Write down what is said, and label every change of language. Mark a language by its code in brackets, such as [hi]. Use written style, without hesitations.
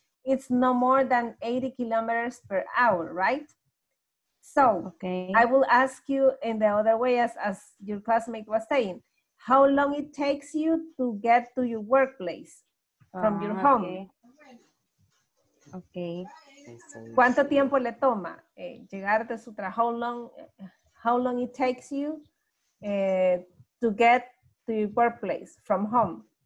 [en] It's no more than 80 kilometers per hour, right? So okay. I will ask you in the other way, as your classmate was saying, how long it takes you to get to your workplace from your home? Okay. [es] ¿Cuánto tiempo le toma llegar de su trabajo? [en] How long it takes you to get to your workplace from home?